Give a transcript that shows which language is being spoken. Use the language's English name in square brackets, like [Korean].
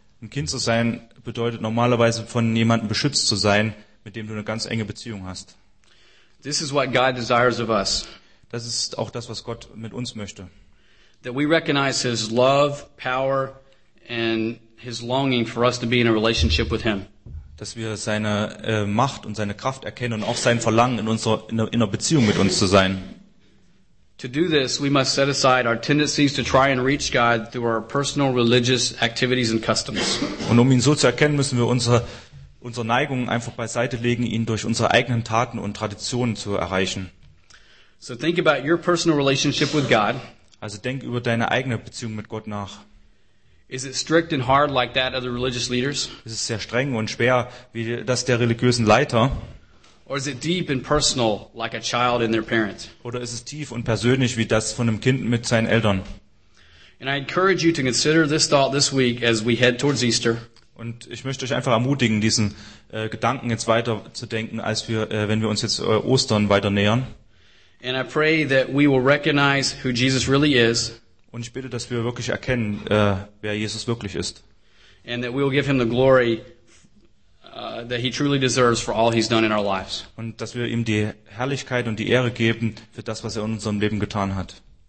[German] Ein Kind zu sein bedeutet normalerweise von jemandem beschützt zu sein, mit dem du eine ganz enge Beziehung hast. [English] This is what God desires of us. [German] Das ist auch das, was Gott mit uns möchte. [English] That we recognize his love, power and his longing for us to be in a relationship with him. [German] Dass wir seine Macht und seine Kraft erkennen und auch sein Verlangen in einer Beziehung mit uns zu sein. [English] To do this, we must set aside our tendencies to try and reach God through our personal religious activities and customs. [German] Und ihn so zu erkennen, müssen wir unsere Neigungen einfach beiseite legen, ihn durch unsere eigenen Taten und Traditionen zu erreichen. [English] So think about your personal relationship with God. [German] Also denk über deine eigene Beziehung mit Gott nach. [English] Is it strict and hard like that of the religious leaders? [German] Ist es sehr streng und schwer wie das der religiösen Leiter? [English] Or is it deep and personal like a child and their parent? [German] Oder ist es tief und persönlich wie das von einem Kind mit seinen Eltern? [English] And I encourage you to consider this thought this week as we head towards Easter. [German] Und ich möchte euch einfach ermutigen, diesen Gedanken jetzt weiter zu denken, als wir wenn wir uns jetzt Ostern weiter nähern. [English] And I pray that we will recognize who Jesus really is. [German] Und ich bitte, dass wir wirklich erkennen, wer Jesus wirklich ist. [English] And that we will give him the glory that he truly deserves for all he's done in our lives. [German] Und dass wir ihm die Herrlichkeit und die Ehre geben für das, was in unserem Leben getan hat.